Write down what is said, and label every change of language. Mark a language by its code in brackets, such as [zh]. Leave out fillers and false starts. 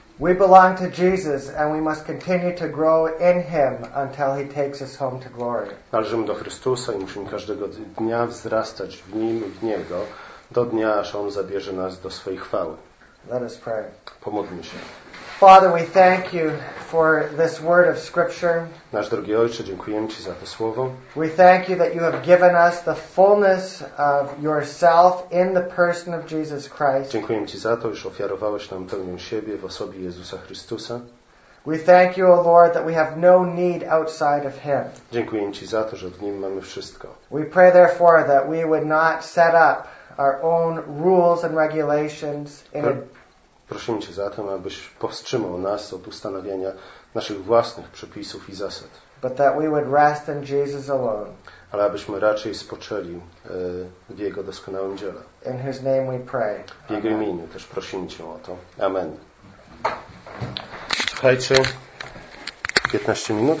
[en] We belong to Jesus and we must continue to grow in Him until He takes us home to glory. [pl] Należymy do Chrystusa i musimy każdego dnia wzrastać w Nim i w Niego do dnia, aż On zabierze nas do swej chwały. [en] Let us pray. [pl] Pomódlmy się. [en] Father, we thank you for this word of scripture. [pl] Nasz drogi Ojcze, dziękujemy Ci za to słowo. [en] We thank you that you have given us the fullness of yourself in the person of Jesus Christ. [pl] Dziękujemy Ci za to, iż ofiarowałeś nam pełnię siebie w osobie Jezusa Chrystusa. [en] We thank you, O Lord, that we have no need outside of Him. [pl] Dziękujemy Ci za to, że w Nim mamy wszystko. [en] We pray therefore that we would not set up our own rules and regulations in [pl] Prosimy Cię za to, abyś powstrzymał nas od ustanawiania naszych własnych przepisów i zasad. [en] But that we would rest in Jesus alone. [pl] Ale abyśmy raczej spoczęli w Jego doskonałym dziele. [en] In His name we pray. [pl] W Jego imieniu też prosimy Cię o to. Amen. Słuchajcie, 15 minut.